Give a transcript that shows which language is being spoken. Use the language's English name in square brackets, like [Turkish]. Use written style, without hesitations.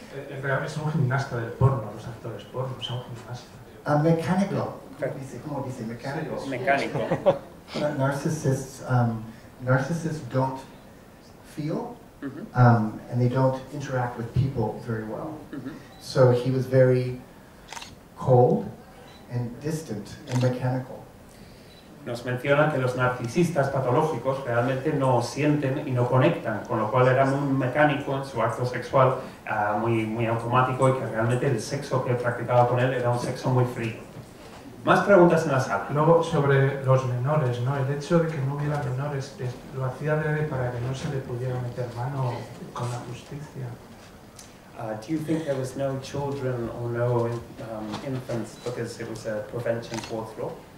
[Spanish] En realidad es un gimnasta del porno, los actores porno, son gimnasta. Mechanical. ¿Cómo dice? Mechanical. [English] Mechanical. Narcissists don't feel, and they don't interact with people very well. So he was very cold and distant and mechanical. [Spanish] Nos menciona que los narcisistas patológicos realmente no sienten y no conectan, con lo cual era muy mecánico en su acto sexual, muy automático, y que realmente el sexo que practicaba con él era un sexo muy frío. Más preguntas en la sala. Luego, sobre los menores, ¿no? El hecho de que no hubiera menores, ¿lo hacía adrede para que no se le pudiera meter mano con la justicia? [English] Do you think there was no children or no infants because it was a prevention fourth law?